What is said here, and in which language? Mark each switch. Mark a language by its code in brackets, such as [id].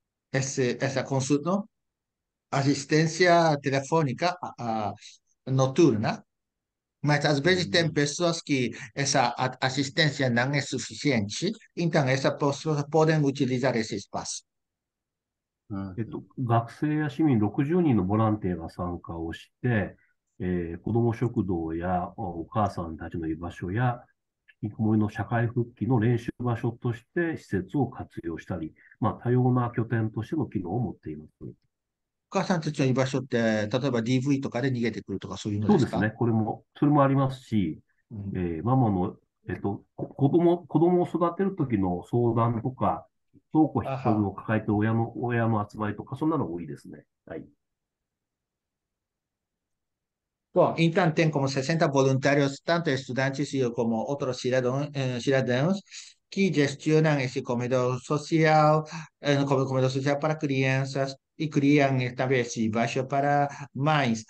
[pt] Essa consulta, assistência telefônica noturna, mas às vezes tem pessoas que essa assistência não é suficiente, então essas pessoas podem utilizar esse espaço. [ja] 学生や市民60人のボランティアが参加をして、子ども食堂やお母さんたちの居場所や、引きこもりの社会復帰の練習場所として施設を活用したり、まあ、多様な拠点としての機能を持っています。お母さんたちの居場所って、例えば DV とかで逃げてくるとかそういうのそうですですか？ね。それもありますし、ママの、子供を育てる時の相談とか、どうこう引きこもりを抱えて親の集まりとか、そんなのが多いですね。はい。 [pt] Bom, então tem como 60 voluntários, tanto estudantes como outros cidadãos, que gestionam esse comedor social para crianças e criam também esse baixo para mães.